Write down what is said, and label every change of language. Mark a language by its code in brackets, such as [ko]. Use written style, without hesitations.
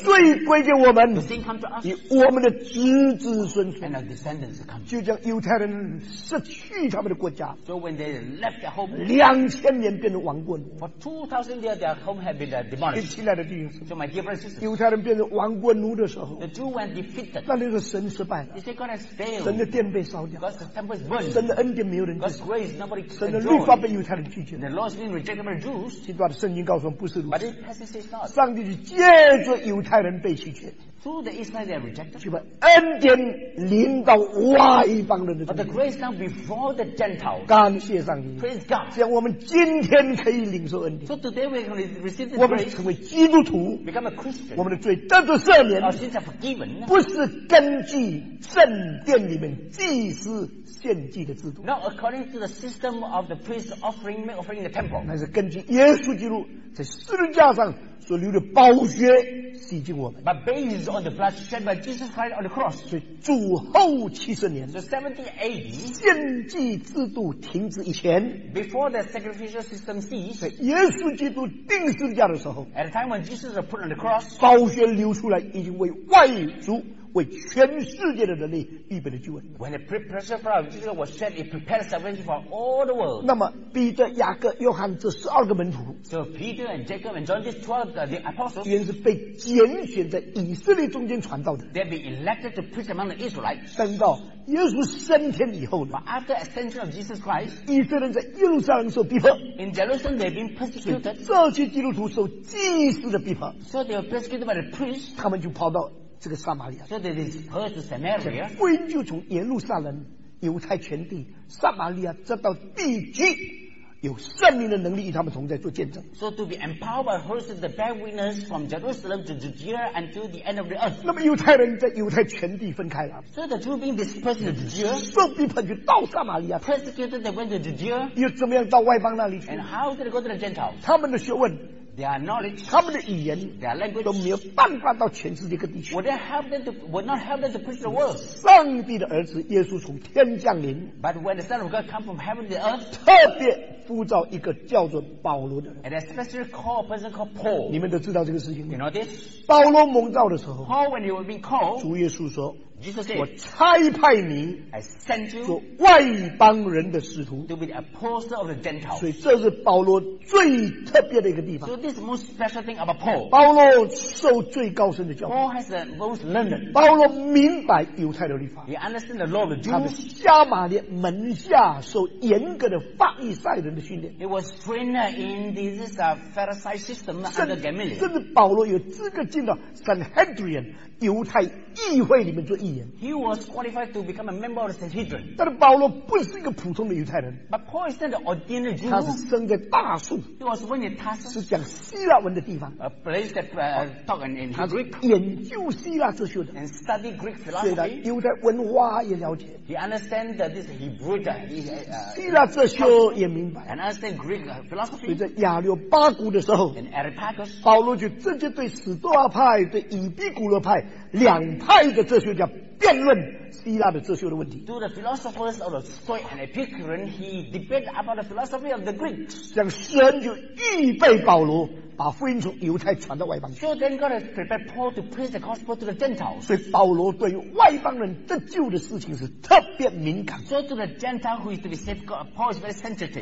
[en] the Lord [zh] 罪归给我们 [en] The sin come to us [zh] 以我们的子子孙孙 [en] And our descendants come [zh] 就将犹太人失去他们的国家 [en] So when they left their home [zh] 2000年变成亡国 [en] For 2000 years their home had been demolished [zh] 亲爱的弟兄 [en] So my dear brothers and sisters [zh] 犹太人变成亡国奴的时候 [en] The Jews were defeated [zh] 那里的神失败了 [en] Is it going to fail [zh] 神的殿被烧掉 [en] Because the temple is burned [zh] 神的恩典没有人 [en] God's grace, nobody can join. [zh] 神的律法被犹太人拒绝。 [en] The laws being rejected by Jews. [zh] 这段圣经告诉我们不是如此。 [en] But the passage says not. [zh] 上帝就借着犹太人被拒绝。 [en] Through the Israelites they are rejected. [zh] 就把恩典临到外邦人的。 [en] But the grace now before the Gentiles. [zh] 感谢上帝。 [en] Praise God. [zh] 这样我们今天可以领受恩典。 [en] So today we can receive the grace. [zh] 我们成为基督徒。 [en] Become a Christian. [zh] 我们的罪得到赦免。 [en] Our sins are forgiven. [zh] 不是根据圣殿里面祭司。献祭的制度 [en] Not according to the system of the priest offering meat offering in the temple [zh] 那是根据耶稣基督在十字架上所流的宝血洗净我们 [en] But based on the blood shed by Jesus Christ on the cross [zh] 所以主后七十年 [en] The 70 AD [zh] 献祭制度停止以前 [en] Before the sacrificial system ceased [zh] 耶稣基督钉十字架的时候 [en] At the time when Jesus was put on the cross [zh] 宝血流出来已经为外族为全世界的人类预备的救恩。 [en] When the precious blood of Jesus was shed, it prepared salvation for all the world. [zh] 那么彼得、雅各、约翰这十二个门徒 [en] ，So Peter and Jacob and John, these 12 the apostles, [zh] 原是被拣选在以色列中间传道的。 [en] They've been elected to preach among the Israelites. [zh] 等到耶稣升天以后呢 [en] ？But after ascension of Jesus Christ, [zh] 以色列在耶路撒冷受逼迫。 [en] In Jerusalem, they've been persecuted. [zh] 这些基督徒受祭司的逼迫。 [en] So they were persecuted by the priests. [zh] 他们就跑到。这个撒玛利亚 [en] So they dispersed to Samaria [zh] 福音就从耶路撒冷犹太全地撒玛利亚直到地极有圣灵的能力与他们同在做见证 [en] So to be empowered by hosts the bear witness from Jerusalem to Judea until the end of the earth [zh] 那么犹太人在犹太全地分开了 [en] So the two being dispersed to Judea [zh] 受逼迫就到撒玛利亚 [en] Persecuted they went to Judea [zh] 又怎么样到外邦那里去 [en] And how did they go to the Gentiles [zh] 他们的学问 [en] Their knowledge, [zh] 他们的语言 [en] their language, [zh] 都没有办法到全世界各地去 [en] would, help them to, would not help them to preach the word [zh] 上帝的儿子耶稣从天降临 [en] But when the Son of God come from heaven to earth [zh] 特别呼召一个叫做保罗的人 [en] And especially call a person called Paul [zh] 你们都知道这个事情 [en] You know this [zh] 保罗蒙召的时候 [en] Paul when he was being called [zh] 主耶稣说 [en] Jesus said, [zh] 我差派你 [en] I sent you [zh] 做外邦人的使徒 [en] to be the apostle of the Gentiles. [zh] 所以这是保罗最特别的一个地方。 [en] So this is the most special thing about Paul. [zh] 保罗受最高深的教 [en] 育。Paul has the most learned. [zh] 保罗明白犹太的律法。 [en] He understands the law of the Jews. [zh] 他们撒玛利亚门下受严格的法利赛人的训练。 [en] He was trained in this Pharisee system under Gamaliel. [zh] 甚至保罗有资格进到 Sanhedrin 犹太议会里面做议员。 [en] He was qualified to become a member of the Sanhedrin. [zh] 但是保罗不是一个普通的犹太人。 [en] But Paul is not an ordinary Jew. [zh] 他是生在大树。 [en] He was born in Tarsus. [zh] 是讲希腊文的地方。 [en] A place that talk in Greek. [zh] 他是研究希腊哲学的。 [en] And study Greek philosophy. [zh] 所以呢，犹太文化也了解。 [en] He understands that this Hebrew. [zh] 希腊哲学也明白。 [en] And understand Greek philosophy. [zh] 所以在亚留巴古的时候 [en] ，In Areopagus, [zh] 保罗就直接对史多亚派、对以比古罗派两派的哲学家辩论希腊的哲学的问题。 [en] To the philosophers of the Stoic and Epicurean, he debated about the philosophy of the Greeks. [zh] 这样神就预备保罗把福音从犹太传到外邦。 [en] So then God has prepared Paul to preach the gospel to the Gentiles. [zh] 所以保罗对外邦人得救的事情是特别敏感。 [en] So to the Gentile who is to be saved, God, Paul is very sensitive.